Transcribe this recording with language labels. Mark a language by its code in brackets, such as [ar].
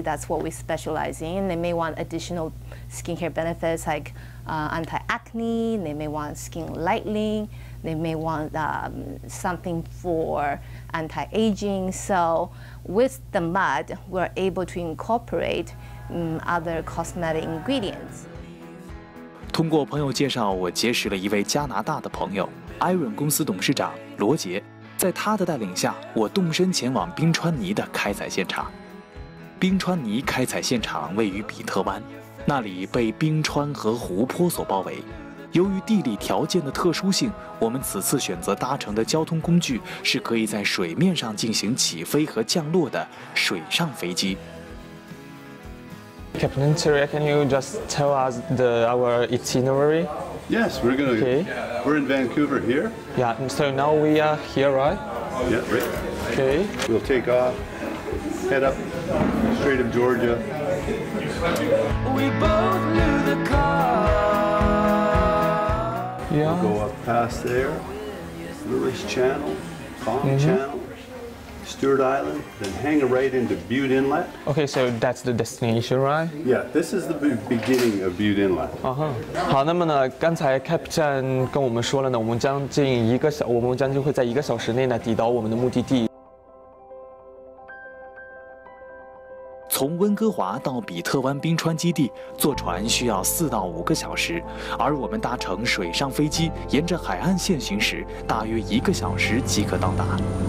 [en] That's what we specialize in. They may want additional skincare benefits like anti-acne. They may want skin lightening. They may want something for anti-aging. So with the mud, we're able to incorporate other cosmetic ingredients. [zh] 通过朋友介绍，我结识了一位加拿大的朋友， Iron 公司董事长罗杰。在他的带领下，我动身前往冰川泥的开采现场。冰川泥开采现场位于比特湾，那里被冰川和湖泊所包围。由于地理条件的特殊性，我们此次选择搭乘的交通工具是可以在水面上进行起飞和降落的水上飞机。 [en] Captain Terry, can you just tell us our itinerary? Yes, we're going to. Okay. We're in Vancouver here. Yeah, so now we are here, right? Yeah, right. Okay. We'll take off, head up Strait of Georgia. We both knew the car. Yeah. We'll go up past there, Lewis Channel, Calm Channel, Stewart Island, then hang a right into Butte Inlet. Okay, so that's the destination, right? Yeah, this is the beginning of Butte Inlet. Uh-huh. [zh] 好，那么呢，刚才 Captain 跟我们说了呢，我们将近会在一个小时内呢抵达我们的目的地。从温哥华到比特湾冰川基地坐船需要4到5个小时，而我们搭乘水上飞机沿着海岸线行驶，大约1个小时即可到达。